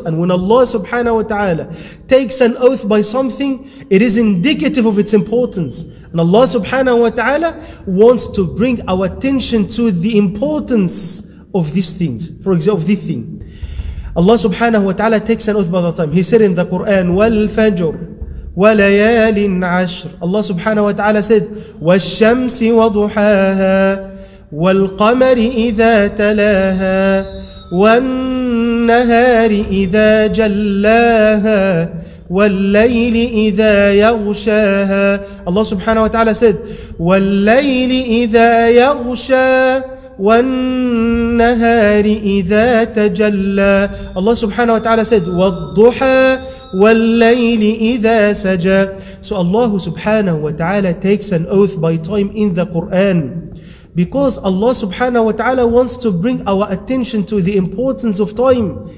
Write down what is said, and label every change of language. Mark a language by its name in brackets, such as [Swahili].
[English] And when Allah subhanahu wa ta'ala takes an oath by something, it is indicative of its importance. And Allah subhanahu wa ta'ala wants to bring our attention to the importance of these things. For example, this thing. Allah subhanahu wa ta'ala takes an oath by the time. He said in the Quran, [Arabic] وَالْفَجْرِ وَلَيَالٍ عَشْرٍ. [English] Allah subhanahu wa ta'ala said, [Arabic] وَالشَّمْسِ وَضُحَاهَا وَالْقَمَرِ إِذَا تَلَاهَا وَالنَّهَارِ إِذَا جَلَّاهَا وَاللَّيْلِ إِذَا يَغْشَاهَا. [English] Allah subhanahu wa ta'ala said, [Arabic] وَاللَّيْلِ إِذَا يَغْشَا وَالنَّهَارِ إِذَا تَجَلَّا. [English] Allah subhanahu wa ta'ala said, [Arabic] وَالضُّحَى وَاللَّيْلِ إِذَا سَجَى. [English] So Allah subhanahu wa ta'ala takes an oath by time in the Quran, because Allah subhanahu wa ta'ala wants to bring our attention to the importance of time.